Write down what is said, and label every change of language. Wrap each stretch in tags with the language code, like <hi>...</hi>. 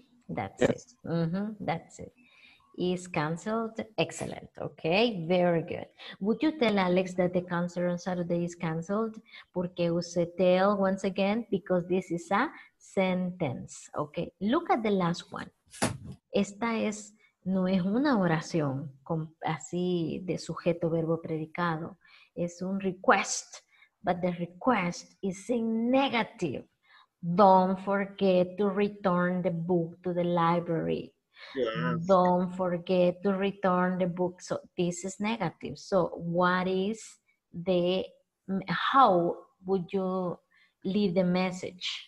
<en>That's it. Is canceled. Excellent. Okay. Very good. Would you tell Alex that the concert on Saturday is canceled?</en> <es>Porque usé tell</es> <en>once again, because this is a sentence. Okay. Look at the last one.</en> <es>Esta es, no es una oración con, así de sujeto, verbo, predicado. Es un request,</es> <en>but the request is in negative. Don't forget to return the book to the library. Yes. Don't forget to return the book. So this is negative. So what is the, how would you leave the message?</en>